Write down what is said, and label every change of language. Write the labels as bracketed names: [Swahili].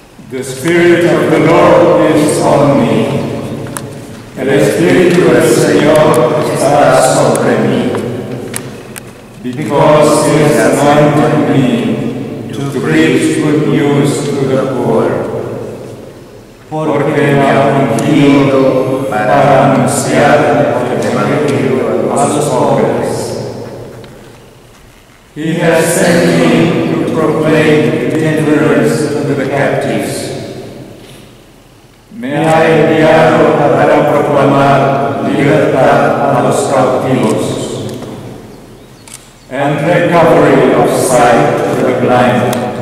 [English] The Spirit of the Lord is on me. [Spanish] El Espíritu del Señor está sobre mí. [English] Because He has anointed me to preach good news to the poor. [Spanish] Porque me ha ungido para anunciar el Evangelio a los pobres. [English] He has sent me to proclaim deliverance to the captives. [Spanish] Me ha enviado para proclamar libertad a los cautivos [English] and recovery of sight to the blind